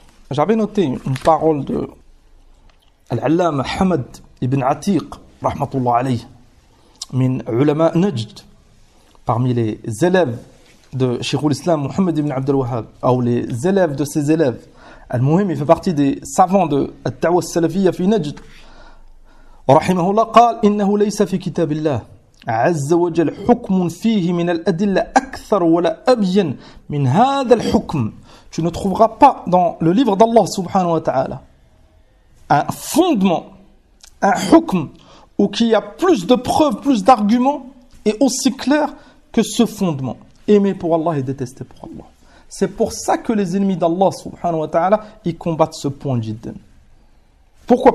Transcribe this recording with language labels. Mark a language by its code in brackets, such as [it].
[fr] J'avais noté une parole de l'allama Hamad ibn Atiq, rahmatullah alayhi, [ar] min ulama Najd, [fr] parmi les élèves de Cheikh al-Islam Muhammad ibn Abd al-Wahhab, ou les élèves de ses élèves. Al-Muhim, il fait partie des savants de al-Da'wa al-Salafiyya fi Najd. [ar] Rahimahullah, قال « إنه ليس في كتاب الله » عز وجل حكم فيه من الأدلة أكثر ولا أبين من هذا الحكم. [fr] Tu ne trouveras pas dans le livre d'Allah subhanahu wa ta'ala un fondement, un hukm où qu'il y a plus de preuves, plus d'arguments et aussi clair que ce fondement. Aimer pour Allah et détester pour Allah. C'est pour ça que les ennemis d'Allah subhanahu wa ta'ala ils combattent ce point jiddan. Pourquoi?